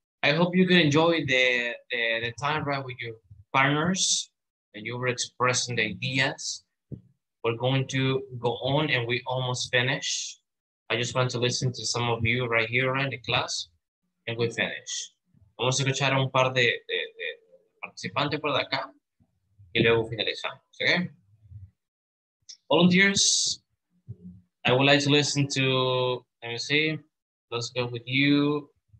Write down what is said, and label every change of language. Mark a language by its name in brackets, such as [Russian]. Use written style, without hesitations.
[English] I hope you could enjoy the time right with your partners and you were expressing the ideas. We're going to go on and we almost finish. I just want to listen to some of you right here right in the class and we finish. [Spanish] Vamos a escuchar un par de participantes por acá y luego finalizamos, okay? [English] Volunteers, I would like to listen to, let me see, let's go with you.